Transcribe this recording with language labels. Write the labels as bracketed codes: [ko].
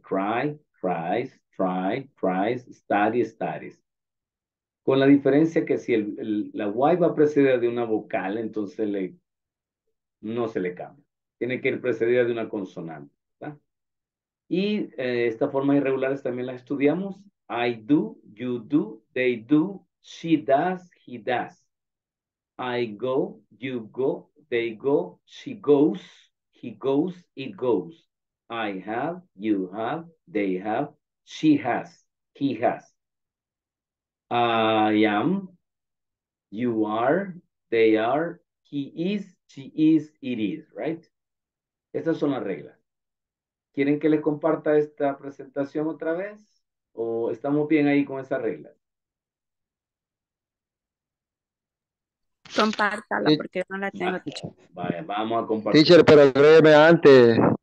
[en] Cry, cries, try, cries, study, studies. [es] Con la diferencia que si la Y va precedida de una vocal, entonces no se le cambia. Tiene que ir precedida de una consonante, ¿verdad? Y estas formas irregulares también las estudiamos. [en] I do, you do, they do, she does, he does. I go, you go, they go, she goes. He goes, it goes. I have, you have, they have, she has, he has. I am, you are, they are, he is, she is, it is, right? [es] Estas son las reglas. ¿Quieren que les comparta esta presentación otra vez? ¿O estamos bien ahí con esas reglas? Compártala, porque yo no la tengo. Vaya, vamos a compartir. Teacher, pero agrégueme antes.